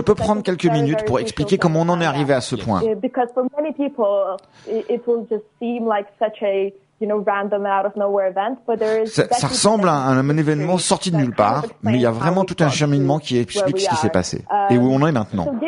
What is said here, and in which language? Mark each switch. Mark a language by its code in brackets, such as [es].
[fr] peux prendre quelques minutes pour expliquer comment on en est arrivé à ce point. [en] Because for many people, it will just seem like such a random out of nowhere event, but there is [fr] ça ressemble à un événement sorti de nulle part, mais il y a vraiment tout un cheminement qui explique ce qui s'est passé et où on en est maintenant.